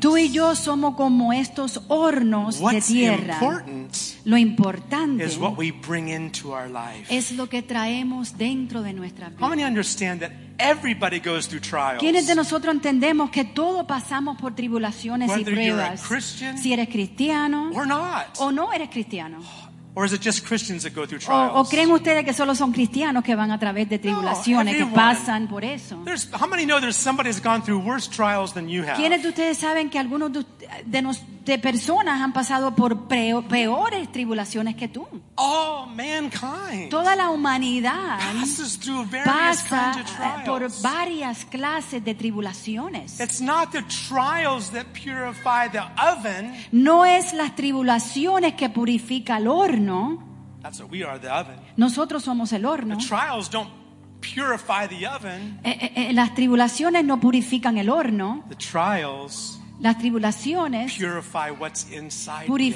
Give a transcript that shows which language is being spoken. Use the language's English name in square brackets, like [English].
[Spanish] Tú y yo somos como estos hornos de tierra. Lo importante [English] is what we bring into our life. [Spanish] Es lo que traemos dentro de nuestra vida. [English] How many understand that everybody goes through trials? [Spanish] ¿Quiénes de nosotros entendemos que todos pasamos por tribulaciones [English] whether [Spanish] y pruebas? [English] You're a Christian, [Spanish] si eres cristiano [English] or not. [Spanish] O no eres cristiano. [English] Or is it just Christians that go through trials? [Spanish] ¿O creen ustedes que solo son cristianos que van a través de tribulaciones, no, que pasan por eso? [English] How many know there's somebody that's gone through worse trials than you have? [Spanish] ¿Quiénes de ustedes saben que algunos de personas han pasado por peores tribulaciones que tú? [English] All mankind. [Spanish] Toda la humanidad [English] passes through various [Spanish] pasa [English] kinds of trials. [Spanish] Por varias clases de tribulaciones. [English] It's not the trials that purify the oven. [Spanish] No es las tribulaciones que purifica el horno. [English] That's what we are, the oven. [Spanish] Nosotros somos el horno. [English] The trials don't purify the oven. [Spanish] Las tribulaciones no purifican el horno. [English] The trials. [Spanish] Las tribulaciones [English] purify what's inside